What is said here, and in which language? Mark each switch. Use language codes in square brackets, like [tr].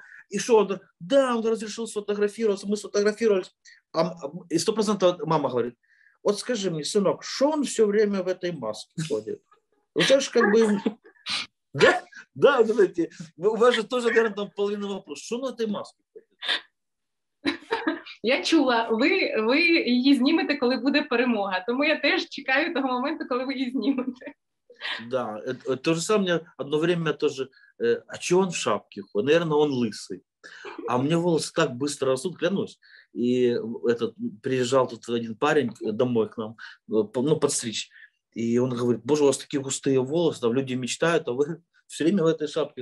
[ru] И что, он разрешил сфотографироваться, мы сфотографировались. И 100% мама говорит: вот скажи мне, сынок, что он все время в этой маске ходит? Ну, это же как бы... Да, знаете, у вас же тоже, наверное, там половина вопроса. Что он в этой маске ходит? [uk] Я чула, ви її знімете, коли буде перемога. Тому я теж чекаю того моменту, коли ви її знімете. [ru] Да, то же самое, одно время тоже... А че он в шапке? Наверное, он лысый. А у меня волосы так быстро растут, клянусь. И этот приезжал тут один парень домой к нам, ну, подстричь. И он говорит: боже, у вас такие густые волосы, там люди мечтают, а вы все время в этой шапке.